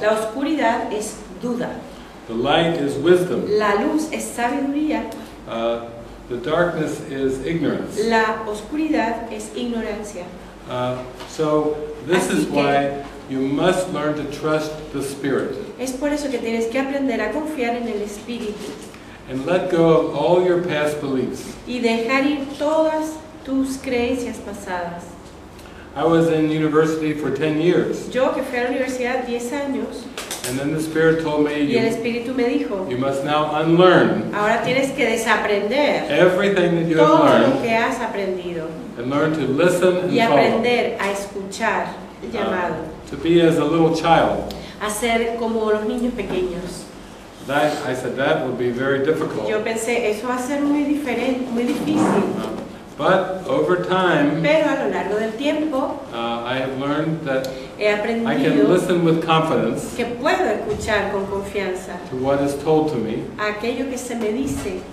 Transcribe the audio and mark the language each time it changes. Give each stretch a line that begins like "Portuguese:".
Spanish: La oscuridad es duda.
English: The light is wisdom.
Spanish: La luz es sabiduría.
English: The darkness is ignorance.
Spanish: La oscuridad es ignorancia.
English: So this is why you must learn to trust the spirit.
Spanish: Es por eso que tienes que aprender a confiar en el espíritu.
English: And let go of all your past beliefs.
Spanish: Y dejar ir todas tus creencias pasadas.
English: I was in university for 10 years.
Spanish: Yo que fui a la universidad 10 años.
English: And then the Spirit told me,
Spanish: y el Espíritu me dijo,
English: you must now unlearn
Spanish: ahora tienes que desaprender
English: everything that you
Spanish: todo
English: have learned,
Spanish: lo que has aprendido
English: and learn to listen and
Spanish: y aprender
English: follow.
Spanish: A escuchar el llamado.
English: To be as a little child.
Spanish: A ser como los niños pequeños.
English: That, I said, that would be very difficult.
Spanish: Yo pensé, eso va a ser muy diferente, muy difícil.
English: But over time,
Spanish: pero a lo largo del tiempo,
English: I have learned that
Spanish: he aprendido
English: I can listen with confidence
Spanish: que puedo escuchar con confianza
English: to what is told to me,
Spanish: aquello que se me dice.